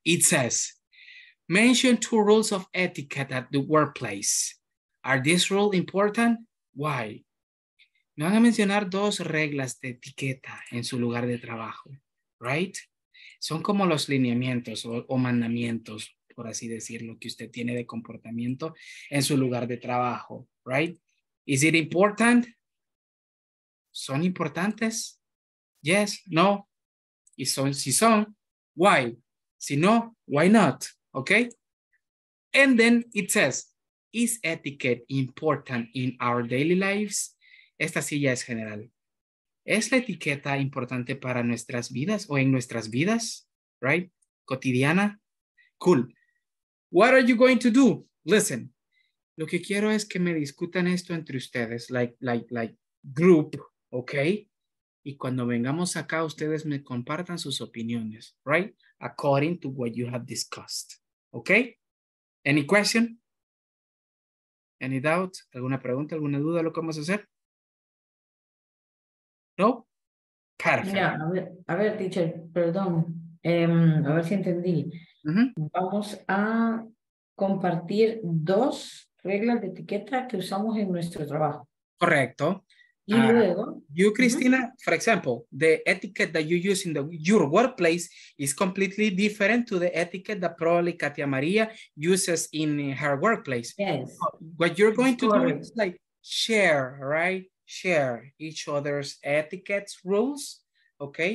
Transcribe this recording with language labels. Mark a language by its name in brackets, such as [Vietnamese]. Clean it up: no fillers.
[English] It says, mention two rules of etiquette at the workplace. Are these rules important? Why? [Spanish] Me van a mencionar dos reglas de etiqueta en su lugar de trabajo, [English] right? [Spanish] Son como los lineamientos o mandamientos, por así decirlo, que usted tiene de comportamiento en su lugar de trabajo, [English] right? Is it important? [Spanish] ¿Son importantes? [English] Yes, no. [Spanish] Y son, si son, [English] why? [Spanish] Si no, [English] why not? [Spanish] Okay? [English] And then it says, is etiquette important in our daily lives? [Spanish] Esta sí ya es general. ¿Es la etiqueta importante para nuestras vidas o en nuestras vidas? [English] Right? [Spanish] Cotidiana. [English] Cool. What are you going to do? Listen. [Spanish] Lo que quiero es que me discutan esto entre ustedes, [English] like group, okay? [Spanish] Y cuando vengamos acá, ustedes me compartan sus opiniones, [English] right? According to what you have discussed, okay? Any question? Any doubt? [Spanish] ¿Alguna pregunta, alguna duda de lo que vamos a hacer? No? [English] Perfect. [Spanish] Mira, a ver, teacher, perdón. A ver si entendí. Uh-huh. Vamos a compartir dos reglas de etiqueta que usamos en nuestro trabajo. Correcto. Y luego. [English] You, Cristina, uh-huh. For example, the etiquette that you use in your workplace is completely different to the etiquette that probably Katia Maria uses in her workplace. Yes. What you're going to do is like share, right? Share each other's etiquette rules. Okay.